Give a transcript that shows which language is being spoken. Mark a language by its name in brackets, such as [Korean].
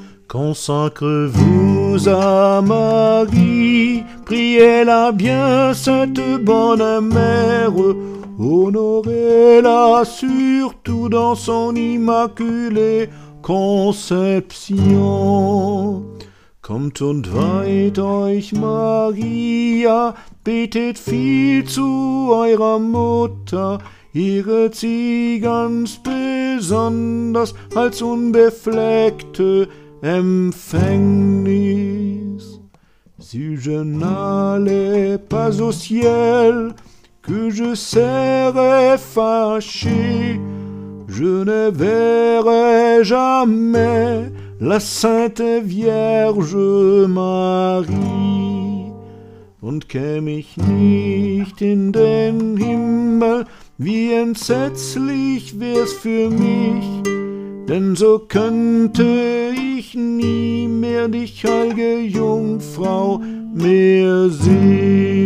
[French] Consacrez-vous à Marie, priez-la bien, sainte bonne mère, honorez-la surtout dans son immaculée conception. [German] Kommt und weiht euch, Maria, betet viel zu eurer Mutter, ihre sie ganz besonders als unbefleckte Empfängnis. [French] Si je n'allais pas au ciel, que je serais fâché, je ne verrais jamais la Sainte Vierge Marie. [German] Und käme ich nicht in den Himmel, wie entsetzlich wär's für mich, denn so könnte ich nie mehr die heilige Jungfrau mehr sehen.